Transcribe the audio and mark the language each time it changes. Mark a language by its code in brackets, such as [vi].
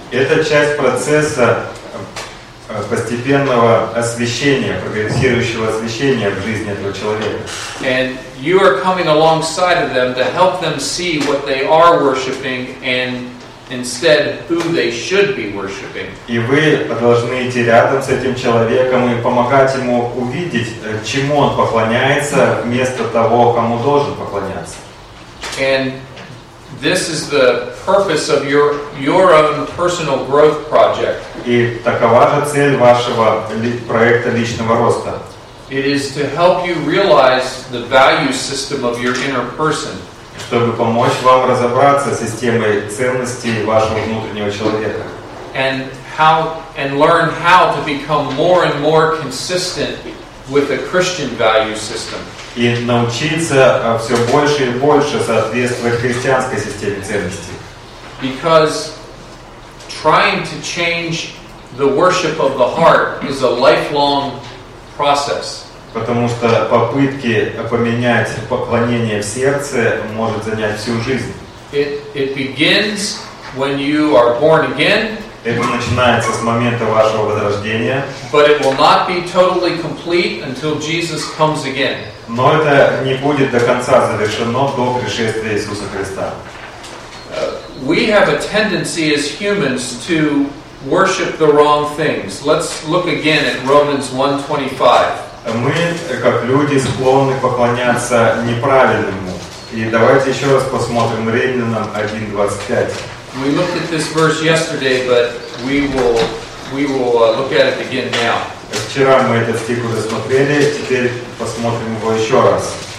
[ru] Это часть процесса постепенного освящения, прогрессирующего освящения в жизни этого человека. [en] And you are coming alongside of them to help them see what they are worshiping and instead who they should be worshiping. [ru] И вы должны идти рядом с этим человеком и помогать ему увидеть, чему он поклоняется, вместо того, кому должен поклоняться. [en] And this is the purpose of your own personal growth project. [ru] И такова же цель вашего проекта личного роста. [en] It is to help you realize the value system of your inner person. [ru] Чтобы помочь вам разобраться с системой ценностей вашего внутреннего человека. [en] And learn how to become more and more consistent with a Christian value system. [ru] И научиться все больше и больше соответствовать христианской системе ценностей. [en] Because trying to change the worship of the heart is a lifelong process. [ru] Потому что попытки поменять поклонение в сердце может занять всю жизнь. [en] It begins when you are born again. [ru] Это начинается с момента вашего возрождения. [en] But it will not be totally complete until Jesus comes again. [ru] Но это не будет до конца завершено до пришествия Иисуса Христа. [en] We have a tendency as humans to worship the wrong things. Let's look again at Romans 1:25. [ru] Мы, как люди, склонны поклоняться неправильному. И давайте еще раз посмотрим Римлянам 1:25. [en] We looked at this verse yesterday, but we will look at it again now. [ru] Вчера мы этот стих уже смотрели, теперь посмотрим его еще раз.